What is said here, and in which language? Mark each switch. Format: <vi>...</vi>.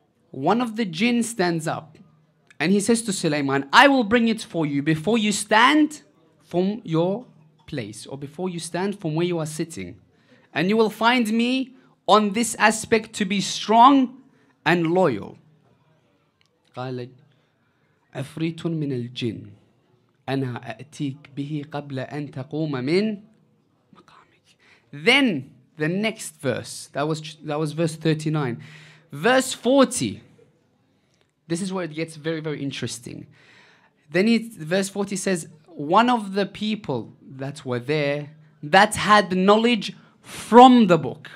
<en>One of the jinn stands up and he says to Sulaiman, I will bring it for you before you stand from your place, or before you stand from where you are sitting. And you will find me on this aspect to be strong and loyal.</en> <ar>قال عفريت من الجن أنا أأتيك به قبل أن تقوم من مقامك.</ar> <en>Then the next verse, that was verse 39. Verse 40, this is where it gets very, very interesting. Then verse 40 says, one of the people that were there that had knowledge from the book.</en>